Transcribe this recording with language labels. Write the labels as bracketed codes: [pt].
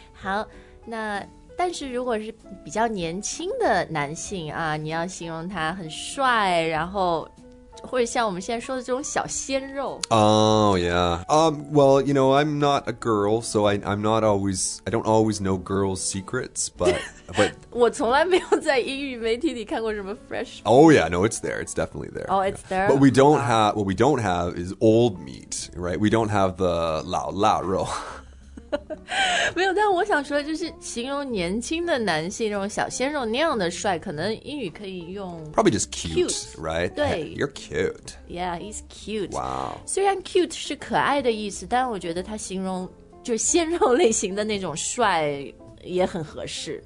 [zh] 好，那但是如果是比较年轻的男性啊，你要形容他很帅，然后或者像我们现在说的这种小鲜肉。 [en] Oh, yeah. Well, you know, I'm not a girl, so I don't always know girls' secrets, but [zh] 我从来没有在英语媒体里看过什么 fresh [en] meat. Oh, yeah, no, it's there. It's definitely there. Oh, it's there. But we don't have, what we don't have is old meat, right? We don't have the 老腊肉。 [zh] 没有，但我想说就是形容年轻的男性，那种小鲜肉那样的帅，可能英语可以用 [en] Probably just cute, right? [zh] 对 [en] hey, You're cute. Yeah, he's cute. Wow. [zh] 虽然 cute 是可爱的意思，但我觉得他形容就鲜肉类型的那种帅也很合适。